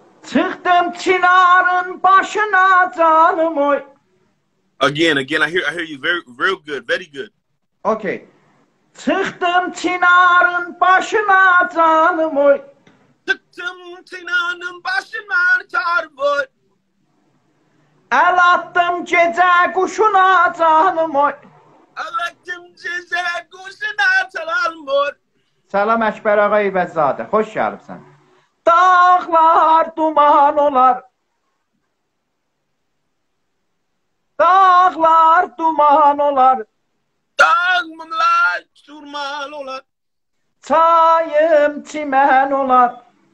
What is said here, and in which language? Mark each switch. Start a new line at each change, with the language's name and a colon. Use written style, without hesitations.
Azerbaijani: Çıxdım çinarın başına canım oy.
English: Again, I hear you very, real good, very good. Okay.
Azerbaijani: Çıxdım çinarın başına canım oy. Çıxdım çinarın başına canım oy. El attım gece kuşuna canım oy. El attım gece kuşuna canım oy. Selam Ekber Ağa İbəzzadə. Hoş gəlibsən. Dağlar duman olar. Dağlar duman olar. Dağlar duman olar. Çayım çimen olar.